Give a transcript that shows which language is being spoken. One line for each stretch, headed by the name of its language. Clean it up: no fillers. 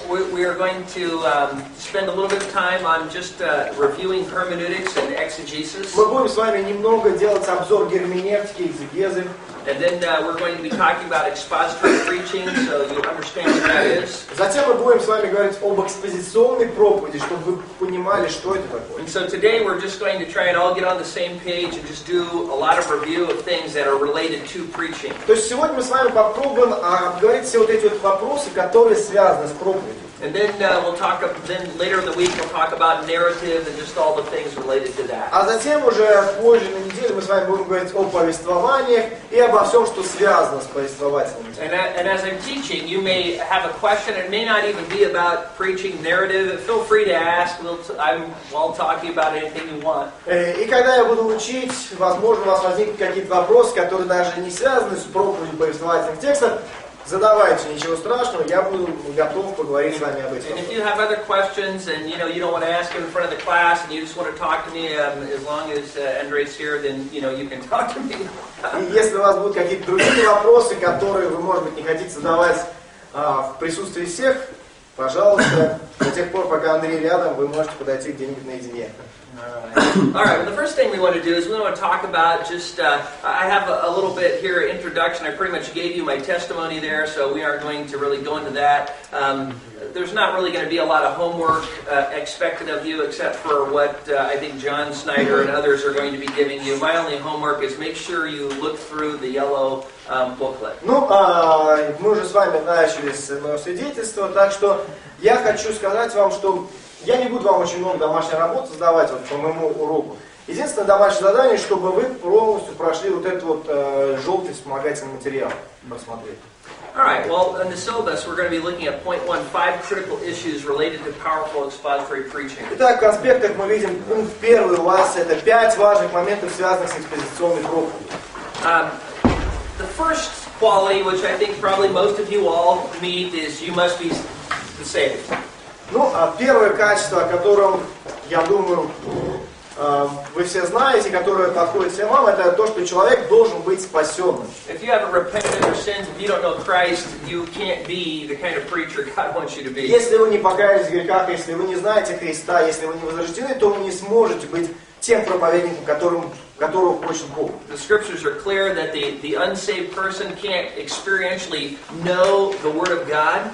English: We are going to spend a little bit of time on just reviewing hermeneutics and exegesis.
Russian: Мы будем с вами немного делать обзор герменевтики и экзегезы.
English: And then we're going to be talking about expository preaching, so you understand what that is.
Russian: Затем мы будем с вами говорить об экспозиционной проповеди, чтобы вы понимали, что это такое.
English: And so today we're just going to try and all get on the same page and just do a lot of review of things that are related to preaching.
Russian: То есть сегодня мы с вами попробуем обговорить все вот эти вот вопросы, которые связаны с проповедью.
English: And then later in the week we'll talk about narrative and just all the things related to that.
Russian: А затем уже позже на неделе мы с вами будем говорить о повествованиях и обо всем, что связано с повествованием.
English: And as I'm teaching, you may have a question. It may not even be about preaching narrative. Feel free to ask. I'll talk to you about anything you want.
Russian: И когда я буду учить, возможно, у вас возникнут какие-то вопросы, которые даже не связаны с проповедью повествовательных текстов. Задавайте, ничего страшного, я буду готов поговорить с вами об этом.
English: And if you have other questions and you know you don't want to ask in front of the class and you just want to talk to me as long as Andre's here, then you know you can talk to me.
Russian: И если у вас будут какие-то другие вопросы, которые вы, может быть, не хотите задавать в присутствии всех, пожалуйста, до тех пор, пока Андрей рядом, вы можете подойти где-нибудь наедине.
English: All right. Well, the first thing we want to do is we want to talk about just. I have a little bit here introduction. I pretty much gave you my testimony there, so we aren't going to really go into that. There's not really going to be a lot of homework expected of you, except for what I think John Snyder and others are going to be giving you. My only homework is make sure you look through the yellow booklet.
Russian: Ну, мы уже с вами начали с моего свидетельства, так что я хочу сказать вам, что я не буду вам очень много домашней работы задавать вот, по моему уроку. Единственное домашнее задание, чтобы вы полностью прошли вот этот вот желтый вспомогательный материал, просмотрели.
English: All right. Well, in the syllabus, we're going to be looking at point one, five critical issues related to powerful expository preaching.
Russian: Итак, в конспектах мы видим пункт первый у вас это пять важных моментов, связанных с экспозиционной проповедью.
English: The first quality, which I think probably most of you all meet, is you must be saved.
Russian: Ну, первое качество, о котором, я думаю, вы все знаете, которое подходит всем вам, это то, что человек должен быть спасенным.
English: If you haven't repented your sins, if you don't know Christ, you can't be the kind of preacher God wants you to be.
Russian: Если вы не покаялись в грехах, если вы не знаете Христа, если вы не возрождены, то вы не сможете быть тем проповедником, которого хочет Бог.
English: The scriptures are clear that the unsaved person can't experientially know the word of God.